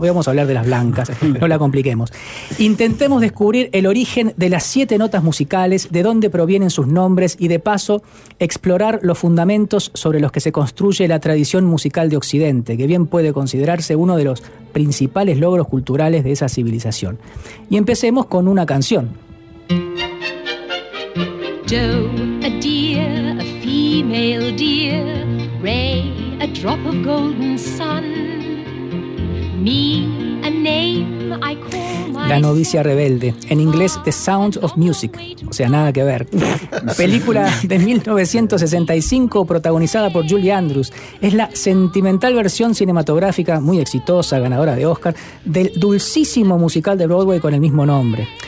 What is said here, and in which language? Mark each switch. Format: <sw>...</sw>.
<es>Hoy vamos a hablar de las blancas, no la compliquemos. Intentemos descubrir el origen de las siete notas musicales, de dónde provienen sus nombres y, de paso, explorar los fundamentos sobre los que se construye la tradición musical de Occidente, que bien puede considerarse uno de los principales logros culturales de esa civilización. Y empecemos con una canción.</es> <en>Doe, a deer, a female deer, Ray, a drop of golden sun, me, a name I call.</en> <es>La novicia rebelde, en inglés The Sound of Music, o sea, nada que ver. Película de 1965 protagonizada por Julie Andrews. Es la sentimental versión cinematográfica, muy exitosa, ganadora de Oscar, del dulcísimo musical de Broadway con el mismo nombre.</es>